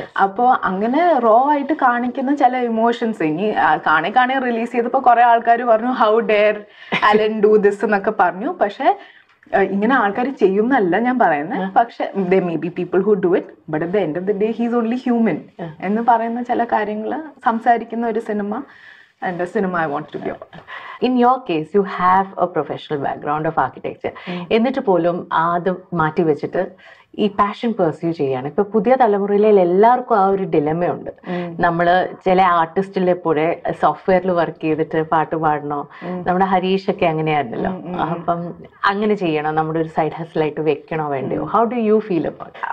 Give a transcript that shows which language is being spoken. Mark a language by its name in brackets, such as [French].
[Malayalam] അപ്പോൾ അങ്ങനെ റോ ആയിട്ട് കാണിക്കുന്ന ചില ഇമോഷൻസ് ഇനി കാണേ റിലീസ് ചെയ്തപ്പോൾ കുറേ ആൾക്കാർ പറഞ്ഞു [English] how dare Alan do this [Malayalam] എന്നൊക്കെ പറഞ്ഞു. പക്ഷേ ഇങ്ങനെ ആൾക്കാർ ചെയ്യുന്നല്ല ഞാൻ പറയുന്നത്, പക്ഷേ [English] they may be people who do it, but at the end of the day he's only human [Malayalam] എന്ന് പറയുന്ന ചില കാര്യങ്ങൾ സംസാരിക്കുന്ന ഒരു cinema. [English] And the cinema I want to be about. In your case, you have a professional background of architecture. [Malayalam] എന്നിട്ട് പോലും അത് മാറ്റി വെച്ചിട്ട് ഈ പാഷൻ പെർസ്യൂ ചെയ്യാണ്. ഇപ്പൊ പുതിയ തലമുറയിലെ എല്ലാവർക്കും ആ ഒരു ഡിലമയുണ്ട്. നമ്മള് ചില ആർട്ടിസ്റ്റിലെ പോലെ സോഫ്റ്റ്വെയറിൽ വർക്ക് ചെയ്തിട്ട് പാട്ട് പാടണോ, നമ്മുടെ ഹരീഷ് ഒക്കെ അങ്ങനെയായിരുന്നല്ലോ, അപ്പം അങ്ങനെ ചെയ്യണോ, നമ്മുടെ ഒരു സൈഡ് ഹസലായിട്ട് വെക്കണോ വേണ്ടയോ, [English] How do you feel about?